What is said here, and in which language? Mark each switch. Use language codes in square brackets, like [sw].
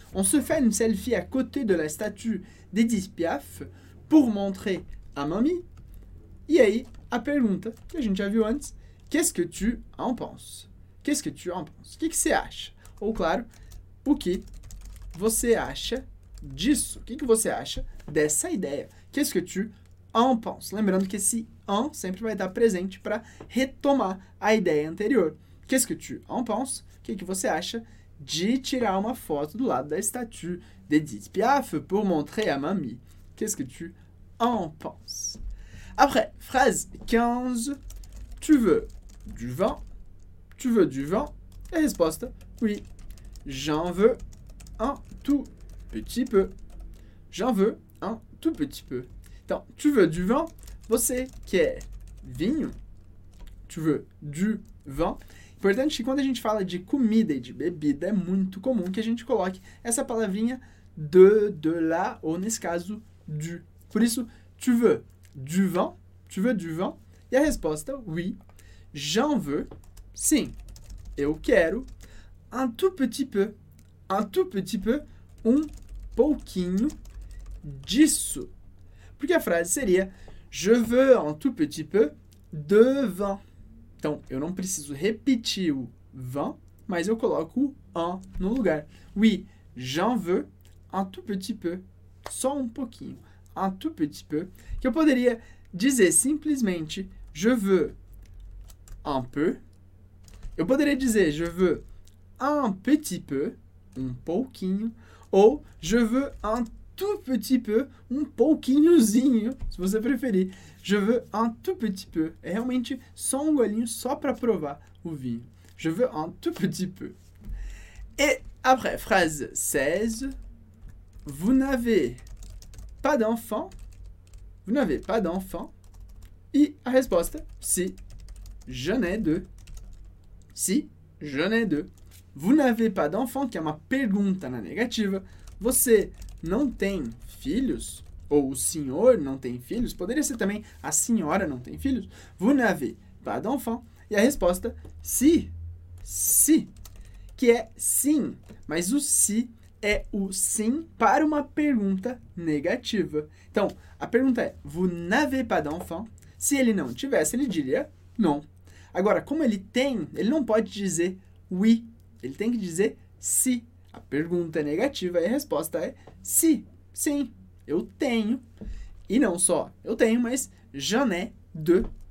[fr] On se fait une selfie à côté de la statue d'Edith Piaf pour montrer à mamie. [pt] E aí, a pergunta que a gente já viu antes. [fr] Qu'est-ce que tu en penses? Qu'est-ce que tu en penses? [pt] Que você acha? Ou, claro, o que você acha disso? Que você acha dessa ideia? [fr] Qu'est-ce que tu en penses? [pt] Lembrando que esse en sempre vai estar presente para retomar a ideia anterior. [fr] Qu'est-ce que tu en penses? [pt] Que você acha de tirar uma foto do lado da [fr] statue d'Edith Piaf pour montrer à mamie? Qu'est-ce que tu en penses? Après, phrase 15. Tu veux du vin? Tu veux du vin? Et réponse, oui. J'en veux un tout petit peu. J'en veux un tout petit peu. [pt] Então, [fr] tu veux du vin? [pt] Você quer vinho? [fr] Tu veux du vin? [pt] Importante que quando a gente fala de comida e de bebida, é muito comum que a gente coloque essa palavrinha de lá, ou nesse caso, du. Por isso, [fr] tu veux du vin? Tu veux du vin? [pt] E a resposta, [fr] oui. J'en veux. [pt] Sim, eu quero. [fr] Un tout petit peu. Un tout petit peu. [pt] Um pouquinho disso. Porque a frase seria, [fr] je veux un tout petit peu de vin. [pt] Então, eu não preciso repetir o vin, mas eu coloco o un no lugar. [fr] Oui, j'en veux un tout petit peu. [pt] Só um pouquinho. [fr] Un tout petit peu. [pt] Que eu poderia dizer simplesmente, [fr] je veux un peu. [pt] Eu poderia dizer, [fr] je veux un petit peu. [pt] Um pouquinho. [fr] Ou, je veux un tout petit peu. [pt] Um pouquinhozinho, se você preferir. [fr] Je veux un tout petit peu. [pt] É realmente só um golinho, só para provar o vinho. [fr] Je veux un tout petit peu. Et après, phrase 16. Vous n'avez pas d'enfant? Vous n'avez pas d'enfant? [pt] E a resposta, [fr] si, je n'ai deux. Si, je n'ai deux. Vous n'avez pas d'enfant, [pt] que é uma pergunta na negativa. Você não tem filhos? Ou o senhor não tem filhos? Poderia ser também a senhora não tem filhos? [fr] Vous n'avez pas d'enfant? [pt] E a resposta, si, si, que é sim. Mas o si é o sim para uma pergunta negativa. Então, a pergunta é, [fr] vous n'avez pas d'enfant? [pt] Se ele não tivesse, ele diria non. Agora, como ele tem, ele não pode dizer oui. Ele tem que dizer si. A pergunta é negativa e a resposta é si, sim. Eu tenho, e não só eu tenho, mas [fr] j'en ai deux.